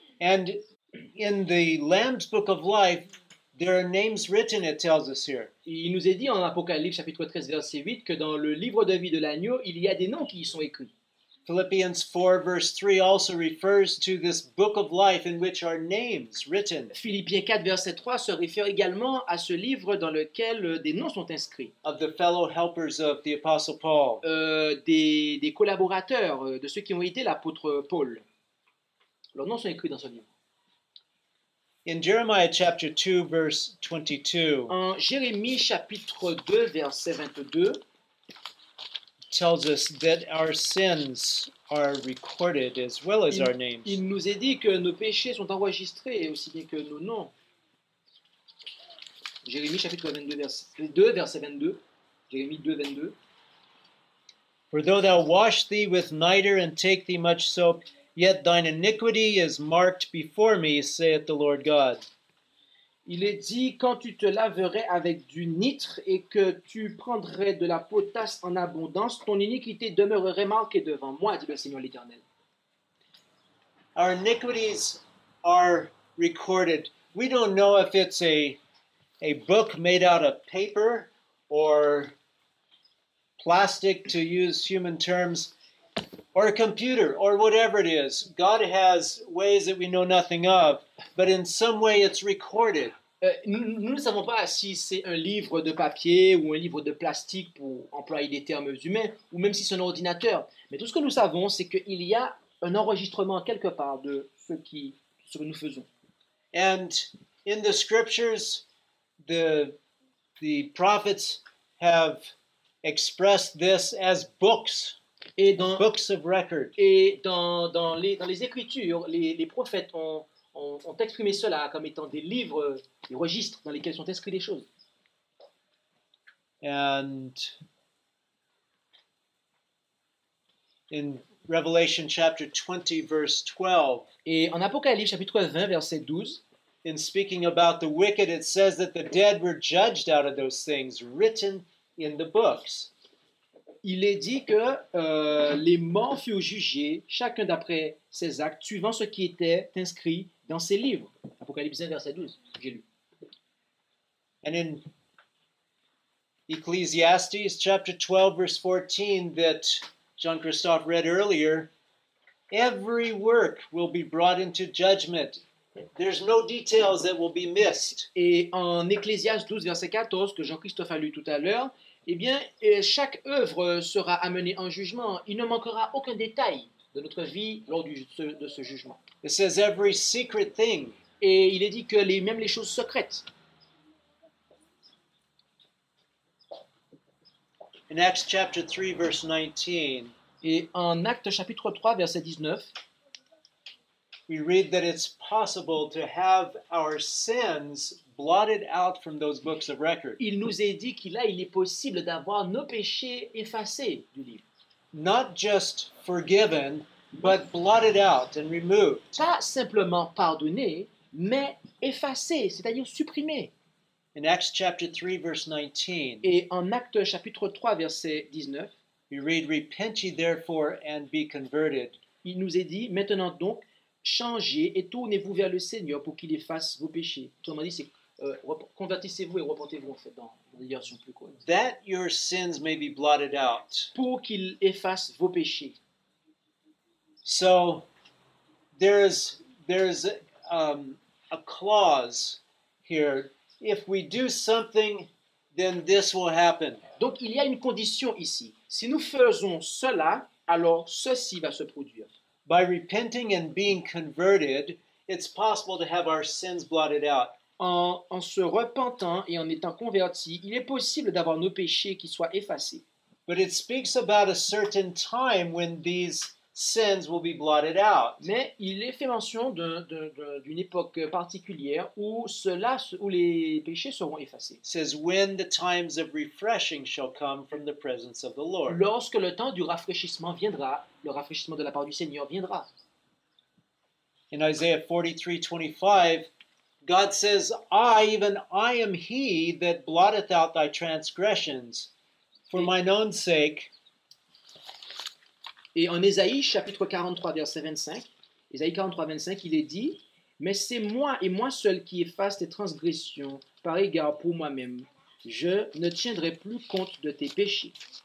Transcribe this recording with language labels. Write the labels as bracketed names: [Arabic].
[English] And in the Lamb's book of life, there are names written, it tells us here. [French] Il nous est dit en Apocalypse, chapitre 13, verset 8, que dans le livre de vie de l'agneau, il y a des noms qui y sont écrits. [English] Philippians 4, verse 3 also refers to this book of life in which are names written. [French] Philippiens 4, verset 3 se réfère également à ce livre dans lequel des noms sont inscrits. [English] Of the fellow helpers of the Apostle Paul. [French] Des collaborateurs de ceux qui ont aidé l'apôtre Paul. Leurs noms sont écrits dans ce livre. [English] In Jeremiah chapter 2, verse 22. [French] En Jérémie chapitre 2, verset 22. [English] Tells us that our sins are recorded as well as our names. [French] Il nous est dit que nos péchés sont enregistrés aussi bien que nos noms. Jérémie chapitre 2 verset 22. Jérémie 2 22. [English] For though thou wash thee with nitre and take thee much soap, yet thine iniquity is marked before me, saith the Lord God. [French] Il est dit, quand tu te laverais avec du nitre et que tu prendrais de la potasse en abondance, ton iniquité demeurerait marquée devant moi, dit le Seigneur l'Éternel. [English] Our iniquities are recorded. We don't know if it's a book made out of paper or plastic, to use human terms, or a computer, or whatever it is. God has ways that we know nothing of, but in some way it's recorded. [French] Nous ne savons pas si c'est un livre de papier ou un livre de plastique, pour employer des termes humains, ou même si c'est un ordinateur. Mais tout ce que nous savons, c'est qu'il y a un enregistrement quelque part de ce que nous faisons. [English] And in the scriptures, the prophets have expressed this as books. [French] Et dans, [English] books of record. [French] Et dans les écritures, les prophètes ont exprimé cela comme étant des livres, des registres dans lesquels sont inscrits des choses. [English] And in Revelation chapter 20, verse 12. [French] Et en Apocalypse chapitre 20, verset 12. [English] In speaking about the wicked, it says that the dead were judged out of those things written in the books. [French] Il est dit que les morts furent jugés, chacun d'après ses actes, suivant ce qui était inscrit dans ses livres. Apocalypse 1, verset 12, j'ai lu. [English] And in Ecclesiastes chapter 12, verse 14, that Jean-Christophe read earlier, every work will be brought into judgment. There's no details that will be missed. [French] Et en Ecclésiaste 12, verset 14, que Jean-Christophe a lu tout à l'heure, eh bien, chaque œuvre sera amenée en jugement. Il ne manquera aucun détail de notre vie lors de ce jugement. [English] It says every secret thing. [French] Et il est dit que même les choses secrètes. [English] In Acts chapter 3, verse 19. [French] Et en Actes chapitre 3, verset 19. [English] We read that it's possible to have our sins blotted out from those books of record. [French] Il nous est dit qu'il est possible d'avoir nos péchés effacés du livre. [English] Not just forgiven, but blotted out and removed. [French] Pas simplement pardonné, mais effacé, c'est-à-dire supprimé. [English] In Acts chapter 3, verse 19. [French] Et en Actes chapitre 3, verset 19. [English] We read, "Repent ye therefore and be converted." [French] Il nous est dit, maintenant donc, changez et tournez-vous vers le Seigneur pour qu'il efface vos péchés. Autrement dit, c'est convertissez-vous et repentez-vous, en fait, dans les versions plus courtes. [English] That your sins may be blotted out. [French] Pour qu'il efface vos péchés. [English] So, there's a clause here. If we do something, then this will happen. [French] Donc, il y a une condition ici. Si nous faisons cela, alors ceci va se produire. [English] By repenting and being converted, it's possible to have our sins blotted out. [French] En se repentant et en étant converti, il est possible d'avoir nos péchés qui soient effacés. [English] But it speaks about a certain time when these sins will be blotted out. [French] Mais il est fait mention d'une époque particulière où les péchés seront effacés. [English] It says when the times of refreshing shall come from the presence of the Lord. [French] Lorsque le temps du rafraîchissement viendra, le rafraîchissement de la part du Seigneur viendra. [English] In Isaiah 43:25, God says, I am he that blotteth out thy transgressions for mine own sake. [French] Et en Ésaïe, chapitre 43, verset 25, Ésaïe 43, 25, il est dit, « Mais c'est moi et moi seul qui efface tes transgressions par égard pour moi-même. Je ne tiendrai plus compte de tes péchés. »